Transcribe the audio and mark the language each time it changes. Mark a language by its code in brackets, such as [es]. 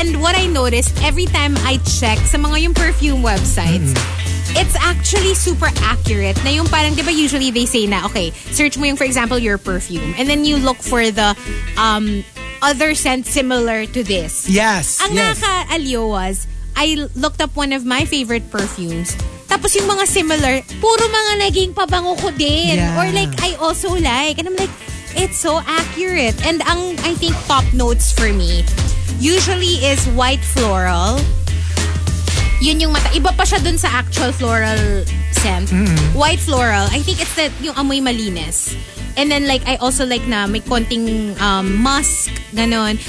[en] And what I noticed, every time I check [tl] sa mga yung [en] perfume websites, it's actually super accurate. [tl] Na yung parang, di ba [en] usually they say na, okay, search mo yung, for example, your perfume. And then you look for the other scent similar to this. Yes, [tl] ang [en] yes. Ang naka-aliyo was, I looked up one of my favorite perfumes. [tl] Tapos yung mga similar, puro mga naging pabango ko din. [en] Yeah. Or like, I also like. And I'm like, it's so accurate. And ang, I think, top notes for me, usually is white floral. [tl] Yun yung mata. Iba pa siya dun sa actual floral scent. Mm-hmm. [en] White floral. I think it's the [tl] yung amoy malinis. [en] And then like, I also like na may konting musk, ganun.